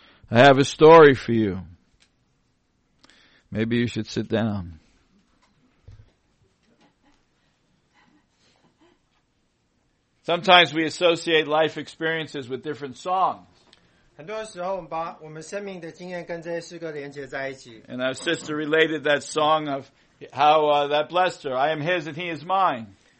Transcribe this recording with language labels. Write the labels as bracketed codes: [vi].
[en] I have a story for you. Maybe you should sit down. Sometimes we associate life experiences with different songs. [zh] 很多时候我们把我们生命的经验跟这些诗歌连接在一起。 [en] And our sister related that song of how that blessed her. I am his and he is mine.